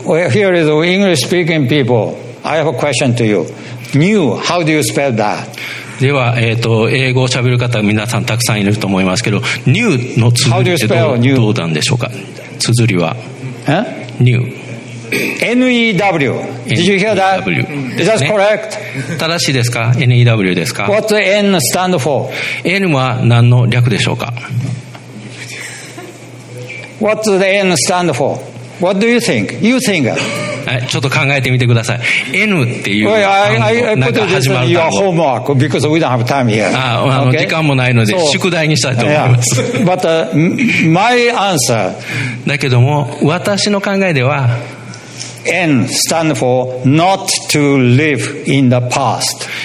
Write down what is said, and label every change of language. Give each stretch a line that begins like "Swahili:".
English: Here is English speaking people. I have a question to you. New, how do you spell that?
Japanese: では、英語をしゃべる方皆さんたくさんいると思いますけど、 new の綴りってどうなんでしょうか。綴りは new
English: N-E-W. Did you hear that? N-E-W、ね、Is that correct?
Japanese: 正しいですか ?N-E-W ですか
English: ?What's N stand for?
Japanese: N は何の略でしょうか
English: ?What's the N stand for? What do you think? You think?
Japanese: ちょっと考えてみてください。 N っていう単語が始まる。
English: Your homework, because we don't have time here. Okay?
Japanese: 時間もないので、so, 宿題にしたいと思います。
English: Yeah. But my answer.
Japanese: だけども、私の考えでは、
English: N stand for not to live in the past.